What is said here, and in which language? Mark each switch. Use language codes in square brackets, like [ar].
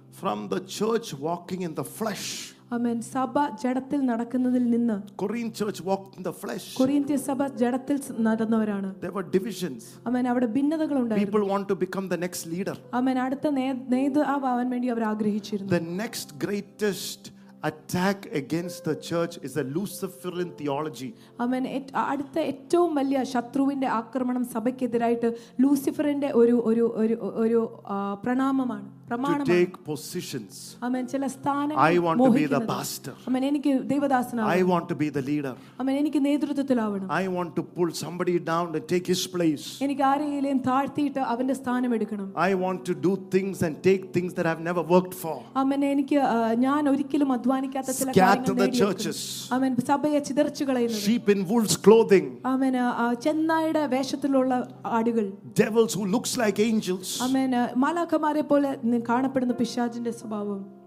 [en] from the church walking in the flesh. [ml] Amen. സഭ ജഡത്തിൽ നടക്കുന്നതിൽ നിന്ന്. [en] Corinthian church walked in the flesh. [ml] കൊരിന്ത്യ സഭ ജഡത്തിൽ നടന്നവരാണ്. [en] There were divisions. [ml] Amen. അവിടെ ഭിന്നതകൾ ഉണ്ടായിരുന്നു. [en] People want to become the next leader. Amen. [ml] അടുത്ത നേതാവ് ആവാൻ വേണ്ടി അവർ ആഗ്രഹിച്ചിരുന്നു. [en] The next greatest attack against the church is a Luciferian theology. Amen. [ml] അടുത്ത ഏറ്റവും വലിയ ശത്രുവിന്റെ ആക്രമണം സഭയ്ക്കെതിരായിട്ട് ലൂസിഫറിന്റെ ഒരു ഒരു ഒരു ഒരു പ്രണാമമാണ്. [en] To take positions. [ml] Amen. ചില സ്ഥാനങ്ങൾ. [en] I want to be the pastor. [ml] Amen. എനിക്ക് ദൈവദാസനാണ്. [en] I want to be the leader. [ml] Amen. എനിക്ക് നേതൃത്വത്തിലാവണം. [en] I want to pull somebody down and take his place. [ml] എനിക്ക് ആരെയെങ്കിലും താഴ്ത്തിയിട്ട് അവന്റെ സ്ഥാനം എടുക്കണം. [en] I want to do things and take things that I've never worked for. Amen. [ml] എനിക്ക് ഞാൻ ഒരിക്കലും അധ്വാനിക്കാത്ത ചില കാര്യങ്ങൾ നേടി. [en] Scatter the churches. [ml] Amen. സഭയെ ചിതറിച്ചു കളയുന്നു. [en] Sheep in wolf's clothing. [ml] Amen. ചെന്നായുടെ വേഷത്തിലുള്ള ആടുകൾ. [en] Devils who looks like angels. Amen. [ml] മലാക്കമാരെ പോലെ കാണപ്പെടുന്ന പിശാചിന്റെ സ്വഭാവം.